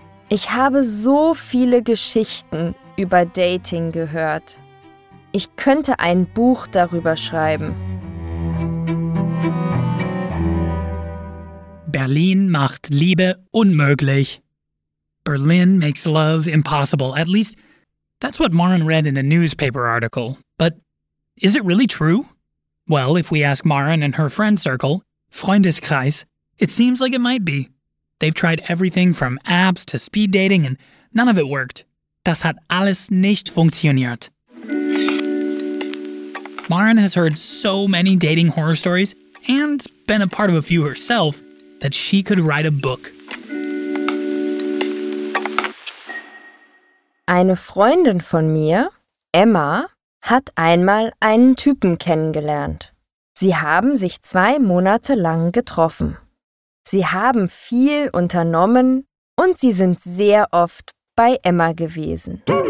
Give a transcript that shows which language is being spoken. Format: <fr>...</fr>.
<de>Ich habe so viele Geschichten über Dating gehört. Ich könnte ein Buch darüber schreiben. Berlin macht Liebe unmöglich.</de> <en>Berlin makes love impossible. At least, that's what Maren read in a newspaper article. But is it really true? Well, if we ask Maren and her friend circle, Freundeskreis, it seems like it might be. They've tried everything from apps to speed dating, and none of it worked.</en> <de>Das hat alles nicht funktioniert.</de> <en>Maren has heard so many dating horror stories, and been a part of a few herself, that she could write a book.</en> <de>Eine Freundin von mir, Emma, hat einmal einen Typen kennengelernt. Sie haben sich 2 Monate lang getroffen. Sie haben viel unternommen und sie sind sehr oft bei Emma gewesen.</de>